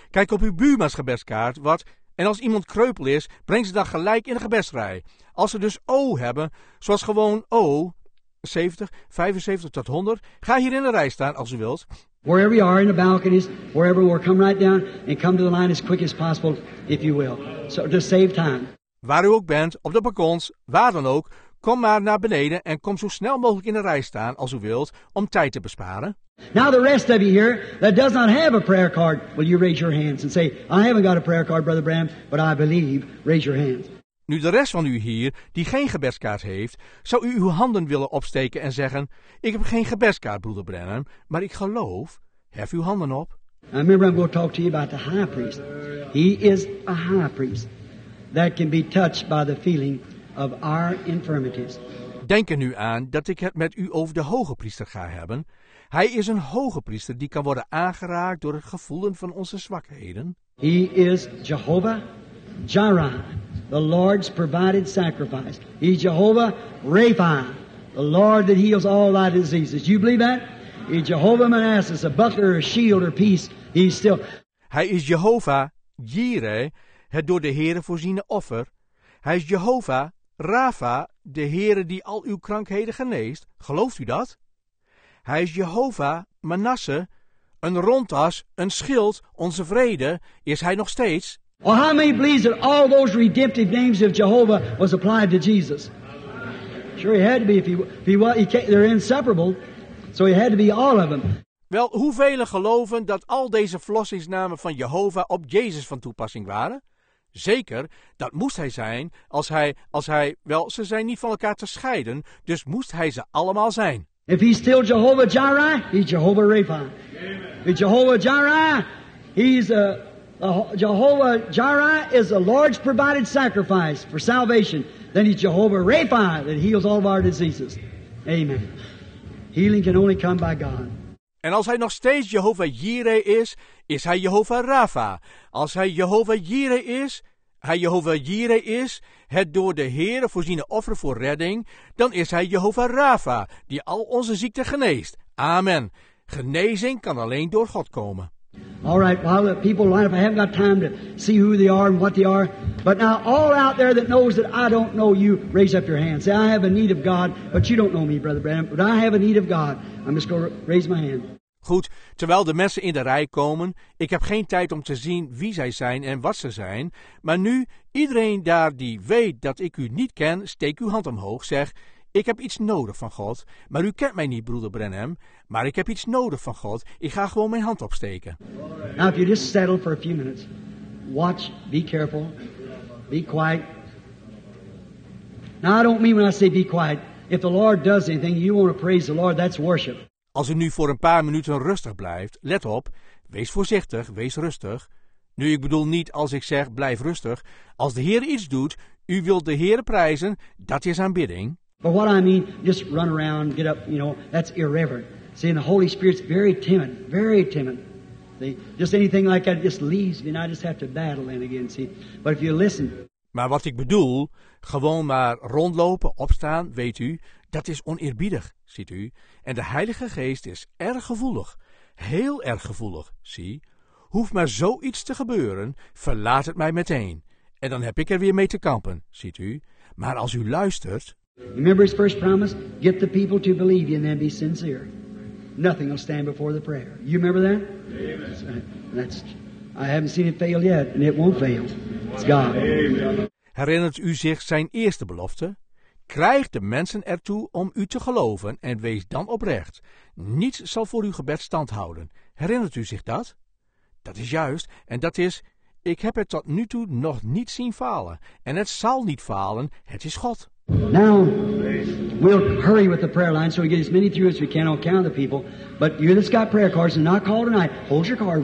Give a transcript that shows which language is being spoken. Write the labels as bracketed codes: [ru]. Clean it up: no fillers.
[nl] Kijk op uw buurman's gebedskaart. Wat? En als iemand kreupel is, breng ze dan gelijk in de gebedsrij. Als ze dus O hebben, zoals gewoon O, 70, 75 tot 100. Ga hier in de rij staan als u wilt. [en] Wherever you are in the balconies, wherever we are, come right down and come to the line as quick as possible, if you will. So to save time. [nl] Waar u ook bent, op de balkons, waar dan ook, kom maar naar beneden en kom zo snel mogelijk in de rij staan als u wilt om tijd te besparen. [en] Now the rest of you here that does not have a prayer card, will you raise your hands and say, I haven't got a prayer card, Brother Bram, but I believe, raise your hands. [nl] Nu de rest van u hier, die geen gebedskaart heeft, zou u uw handen willen opsteken en zeggen, ik heb geen gebedskaart, Broeder Branham, maar ik geloof, hef uw handen op. [en] I remember I'm going to talk to you about the high priest. He is a high priest that can be touched by the feeling of our infirmities. [nl] Denk er nu aan dat ik het met u over de hoge priester ga hebben. Hij is een hoge priester die kan worden aangeraakt door het gevoelen van onze zwakheden. [en] He is Jehovah Jireh, the Lord's provided sacrifice. He's Jehovah Rapha, the Lord that heals all thy diseases. You believe that? He's Jehovah Manasseh, a buckler, a shield, or peace. He's still. [nl] Hij is Jehovah Jireh, het door de Heere voorziene offer. Hij is Jehovah Rapha, de Heere die al uw krankheden geneest. Gelooft u dat? Hij is Jehovah Manasseh, een rondas, een schild, onze vrede. Is hij nog steeds? [en] Well, how many believe that all those redemptive names of Jehovah was applied to Jesus? Sure, he had to be. They're inseparable, so he had to be all of them. [nl] Wel, hoeveel geloven dat al deze verlossingsnamen van Jehovah op Jezus van toepassing waren? Zeker, dat moest hij zijn, als hij, ze zijn niet van elkaar te scheiden, dus moest hij ze allemaal zijn. [en] If he's still Jehovah Jireh, he's Jehovah Rapha. Amen. If Jehovah Jireh, he's a... Jehovah Jireh is the Lord's provided sacrifice for salvation. Then he's Jehovah Rapha that heals all of our diseases. Amen. Healing can only come by God. [nl] En als hij nog steeds Jehovah Jireh is, is hij Jehovah Rapha. Als hij Jehovah Jireh is, hij Jehovah Jireh is, het door de Heere voorziene offer voor redding, dan is hij Jehovah Rapha die al onze ziekten geneest. Amen. Genezing kan alleen door God komen. [en] All right, while the people line up, I haven't got time to see who they are and what they are. But now, all out there that knows that I don't know you, raise up your hand. Say, I have a need of God, but you don't know me, Brother Branham, but I have a need of God. I'm just going to raise my hand. [nl] Goed, terwijl de mensen in de rij komen, ik heb geen tijd om te zien wie zij zijn en wat ze zijn. Maar nu, iedereen daar die weet dat ik u niet ken, steek uw hand omhoog, zeg, ik heb iets nodig van God, maar u kent mij niet, Broeder Branham. Maar ik heb iets nodig van God. Ik ga gewoon mijn hand opsteken. [en] Now, if you just settle for a few minutes, watch, be careful, be quiet. Now, I don't mean when I say be quiet. If the Lord does anything, you want to praise the Lord. That's worship. [nl] Als u nu voor een paar minuten rustig blijft, let op. Wees voorzichtig, wees rustig. Nu, ik bedoel niet als ik zeg blijf rustig. Als de Heer iets doet, u wilt de Heer prijzen, dat is aanbidding. [en] But what I mean, just run around, get up, you know, that's irreverent. See, and the Holy Spirit's very timid, very timid. See, just anything like that just leaves me, and I just have to battle in again, see. But if you listen. [nl] Maar wat ik bedoel, gewoon maar rondlopen, opstaan, weet u, dat is oneerbiedig, ziet u. En de Heilige Geest is erg gevoelig, heel erg gevoelig, zie. Hoeft maar zoiets te gebeuren, verlaat het mij meteen. En dan heb ik er weer mee te kampen, ziet u. Maar als u luistert. [en] Remember his first promise? Get the people to believe you and then be sincere. Nothing will stand before the prayer. You remember that? Amen. I haven't seen it fail yet, and it won't fail. It's God. Amen. [nl] Herinnert u zich zijn eerste belofte? Krijg de mensen ertoe om u te geloven en wees dan oprecht. Niets zal voor uw gebed stand houden. Herinnert u zich dat? Dat is juist, en dat is, ik heb het tot nu toe nog niet zien falen. En het zal niet falen, het is God. [en] Now, we'll hurry with the prayer line so we get as many through as we can. I'll count the people. But you that's got prayer cards and not called tonight, hold your card.